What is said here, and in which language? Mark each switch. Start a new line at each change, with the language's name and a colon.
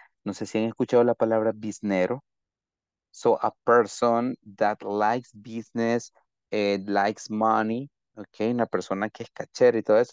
Spanish: No sé si han escuchado la palabra biznero.
English: So a person that likes business, likes money.
Spanish: Ok, una persona que es cachera y todo eso.